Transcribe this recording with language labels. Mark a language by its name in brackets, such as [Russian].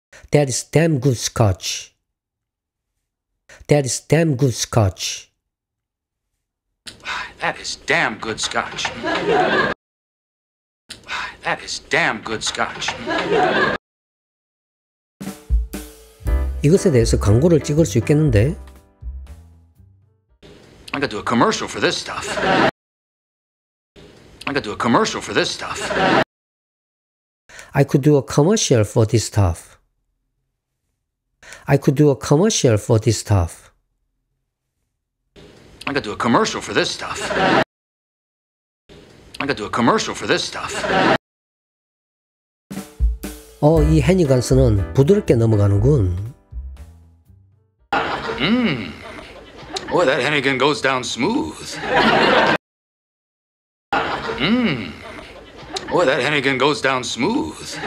[English] That is damn good scotch. That is damn good scotch. That is damn good scotch. That is damn good scotch. [Korean] 이것에 대해서 광고를 찍을 수 있겠는데? [English] I could do a commercial for this stuff. I could do a commercial for this stuff. I could do a commercial for this stuff. I could do a commercial for this stuff. I could do a commercial for this stuff. I could do a commercial for this stuff. [Korean] 어, 이 헤니건스는 부드럽게 넘어가는군. [English] Mmm. Boy, that Hennigan goes down smooth. Mmm. Boy, that Hennigan goes down smooth.